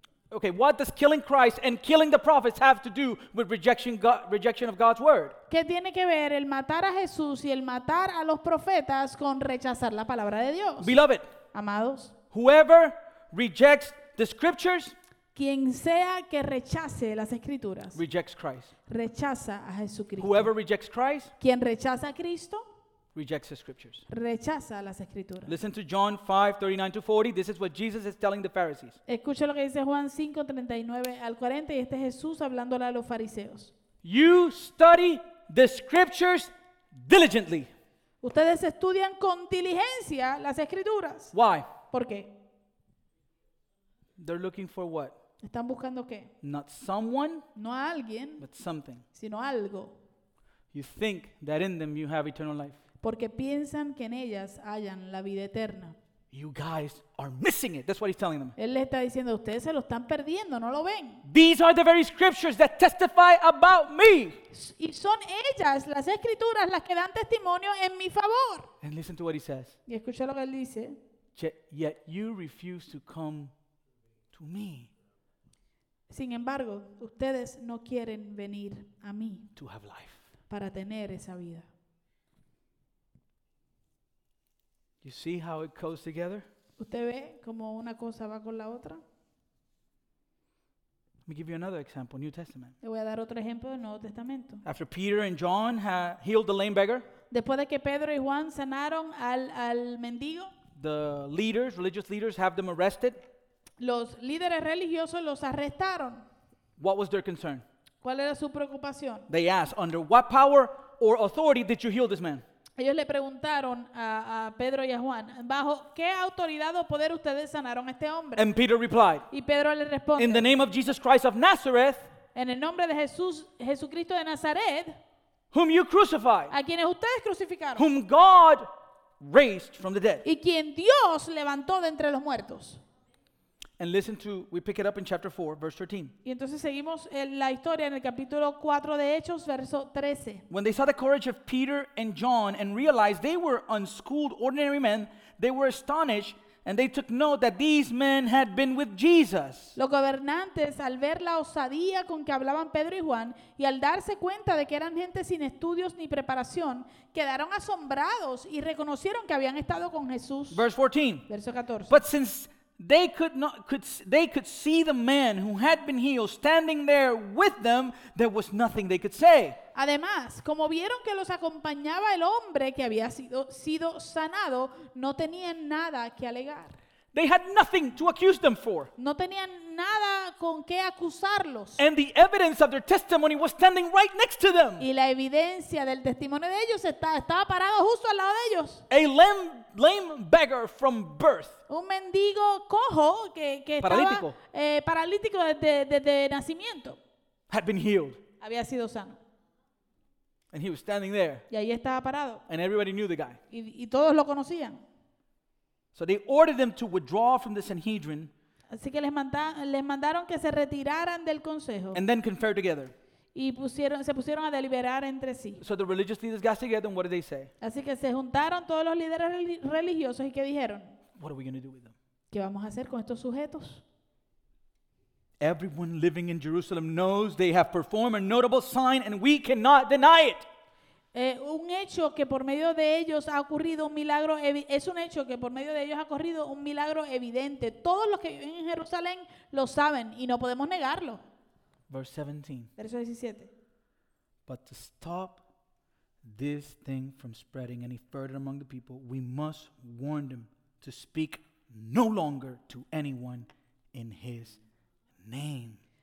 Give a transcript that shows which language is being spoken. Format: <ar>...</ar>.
<en>Okay, what does killing Christ and killing the prophets have to do with rejection of God's word?</en> <es>¿Qué tiene que ver el matar a Jesús y el matar a los profetas con rechazar la palabra de Dios?</es> <en>Beloved,</en> <es>amados,</es> <en>whoever rejects the scriptures,</en> <es>quien sea que rechace las escrituras,</es> <en>rejects Christ.</en> <es>Rechaza a Jesucristo.</es> <en>Whoever rejects Christ,</en> <es>quien rechaza a Cristo,</es> <en>rejects the scriptures.</en> <es>Rechaza las escrituras.</es> <en>Listen to John 5:39-40. This is what Jesus is telling the Pharisees.</en> <es>Escucha lo que dice Juan 5:39 al 40 y este es Jesús hablándole a los fariseos.</es> <en>You study the scriptures diligently.</en> <es>Ustedes estudian con diligencia las escrituras.</es> <en>Why?</en> <es>¿Por qué?</es> <en>They're looking for what?</en> <es>¿Están buscando qué?</es> <en>Not someone,</en> <es>no a alguien,</es> <en>but something.</en> <es>Sino algo.</es> <en>You think that in them you have eternal life.</en> <es>Porque piensan que en ellas hayan la vida eterna.</es> <en>You guys are missing it. That's what he's telling them.</en> <es>Él le está diciendo, ustedes se lo están perdiendo, no lo ven.</es> <en>These are the very scriptures that testify about me.</en> <es>Y son ellas las escrituras las que dan testimonio en mi favor.</es> <en>And listen to what he says.</en> <es>Y escucha lo que él dice.</es> <en>Yet you refuse to come to me.</en> <es>Sin embargo, ustedes no quieren venir a mí.</es> <en>To have life.</en> <es>Para tener esa vida.</es> <en>You see how it goes together?</en> <es>¿Usted ve cómo una cosa va con la otra?</es> <en>Let me give you another example, New Testament.</en> <es>Le voy a dar otro ejemplo del Nuevo Testamento.</es> <en>After Peter and John healed the lame beggar,</en> <es>después de que Pedro y Juan sanaron al mendigo,</es> <en>the leaders, religious leaders, have them arrested.</en> <es>Los líderes religiosos los arrestaron.</es> <en>What was their concern?</en> <es>¿Cuál era su preocupación?</es> <en>They asked, under what power or authority did you heal this man?</en> <es>Ellos le preguntaron a Pedro y a Juan, ¿bajo qué autoridad o poder ustedes sanaron a este hombre?</es> <en>And Peter replied,</en> <es>y Pedro le responde,</es> <en>in the name of Jesus Christ of Nazareth,</en> <es>en el nombre de Jesucristo de Nazaret,</es> <en>whom you crucified,</en> <es>a quienes ustedes crucificaron,</es> <en>whom God raised from the dead,</en> <es>y quien Dios levantó de entre los muertos.</es> <en>And listen to, we pick it up in chapter 4, verse 13.</en> <es>Y entonces seguimos la historia en el capítulo 4 de Hechos, verso 13.</es> <en>When they saw the courage of Peter and John and realized they were unschooled, ordinary men, they were astonished and they took note that these men had been with Jesus.</en> <es>Los gobernantes, al ver la osadía con que hablaban Pedro y Juan y al darse cuenta de que eran gente sin estudios ni preparación, quedaron asombrados y reconocieron que habían estado con Jesús.</es> <en>Verse 14.</en> <es>Verso 14.</es> <en>But since they could see the man who had been healed standing there with them, there was nothing they could say.</en> <es>Además, como vieron que los acompañaba el hombre que había sido sanado, no tenían nada que alegar.</es> <en>They had nothing to accuse them for.</en> <es>No tenían nada con qué acusarlos.</es> <en>And the evidence of their testimony was standing right next to them.</en> <es>Y la evidencia del testimonio de ellos estaba parado justo al lado de ellos.</es> <en>A lame beggar from birth.</en> <es>Un mendigo cojo que paralítico. Estaba paralítico desde nacimiento.</es> <en>Had been healed.</en> <es>Había sido sano.</es> <en>And he was standing there.</en> <es>Y ahí estaba parado.</es> <en>And everybody knew the guy.</en> <es>Y todos lo conocían.</es> <en>So they ordered them to withdraw from the Sanhedrin.</en> <es>Así que les mandaron que se retiraran del consejo.</es> <en>And then conferred together.</en> <es>Y se pusieron a deliberar entre sí.</es> <en>So the religious leaders got together, and what did they say?</en> <es>Así que se juntaron todos los líderes religiosos y qué dijeron?</es> <en>What are we going to do with them?</en> <es>¿Qué vamos a hacer con estos sujetos?</es> <en>Everyone living in Jerusalem knows they have performed a notable sign, and we cannot deny it.</en> <es>Un hecho que por medio de ellos ha ocurrido un milagro es un hecho que por medio de ellos ha ocurrido un milagro evidente. Todos los que viven en Jerusalén lo saben y no podemos negarlo.</es> <en>Verse 17. But to stop this thing from spreading any further among the people, we must warn them to speak no longer to anyone in his name.</en>